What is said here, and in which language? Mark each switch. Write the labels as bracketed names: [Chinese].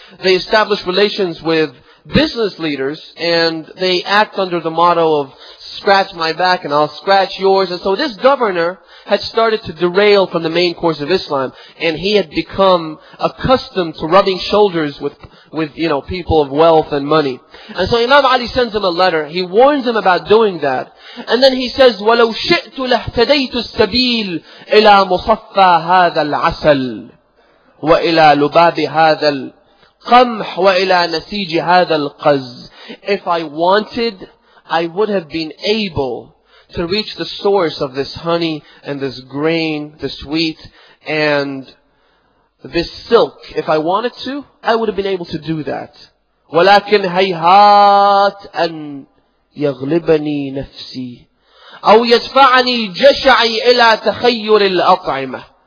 [English] They establish relations with business leaders, and they act under the motto of scratch my back and I'll scratch yours. And so this governor had started to derail from the main course of Islam, and he had become accustomed to rubbing shoulders with you know, people of wealth and money. And so Imam Ali sends him a letter. He warns him about doing that. And then he says, [Arabic] وَلَوْ شِئْتُ لَهْتَدَيْتُ السَّبِيلِ إِلَى مُصَفَّى هَذَا الْعَسَلِ وَإِلَى لُبَابِ هَذَا الْقَمْحِ وَإِلَى نَسِيجِ هَذَا الْقَزِ. [English] If I wanted, I would have been able to reach the source of this honey and this grain, this wheat and this silk. If I wanted to, I would have been able to do that. [Arabic] وَلَكِنْ هَيْهَاتْ أَنْ يَغْلِبَنِي نَفْسِي أَوْ يَدْفَعَنِي جَشَعِي إِلَى تَخَيُّرِ الْأَطْعِمَةِ.